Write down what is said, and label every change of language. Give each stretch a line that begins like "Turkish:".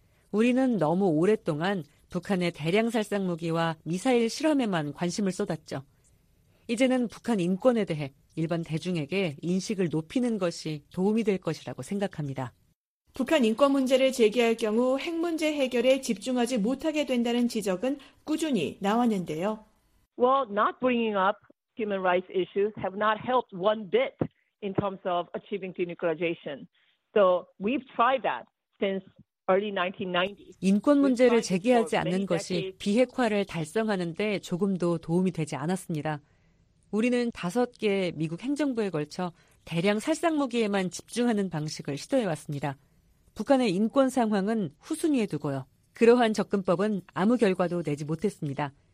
Korean: 우리는 너무 오랫동안 북한의 대량 살상 무기와 미사일 실험에만 관심을 쏟았죠. 이제는 북한 인권에 대해 일반 대중에게 인식을 높이는 것이 도움이 될 것이라고 생각합니다. 북한 인권 문제를 제기할 경우 핵 문제 해결에 집중하지 못하게 된다는 지적은 꾸준히 나왔는데요.
English: Well, not bringing up human rights issues have not helped one bit in terms of achieving denuclearization. So we've tried that since 1990s.
Korean: 인권 문제를 제기하지 않는 것이 비핵화를 달성하는 데 조금도 도움이 되지 않았습니다. 우리는 다섯 개 미국 행정부에 걸쳐 대량 살상무기에만 집중하는 방식을 시도해왔습니다. 북한의 인권 상황은 후순위에 두고요. 그러한 접근법은 아무 결과도 내지 못했습니다.